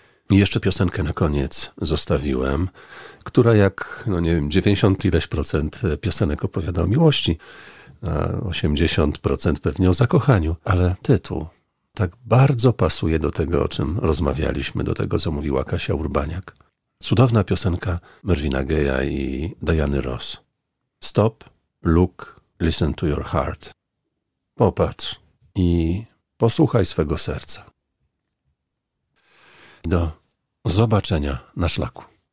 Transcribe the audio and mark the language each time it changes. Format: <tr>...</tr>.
<pl>Jeszcze piosenkę na koniec zostawiłem, która jak, no nie wiem, 90% piosenek opowiada o miłości, a 80% pewnie o zakochaniu, ale tytuł tak bardzo pasuje do tego, o czym rozmawialiśmy, do tego, co mówiła Kasia Urbaniak. Cudowna piosenka Marvina Gaye'a i Diany Ross.</pl> <en>Stop, look, listen to your heart.</en> <pl>Popatrz i posłuchaj swego serca. Do zobaczenia na szlaku.</pl>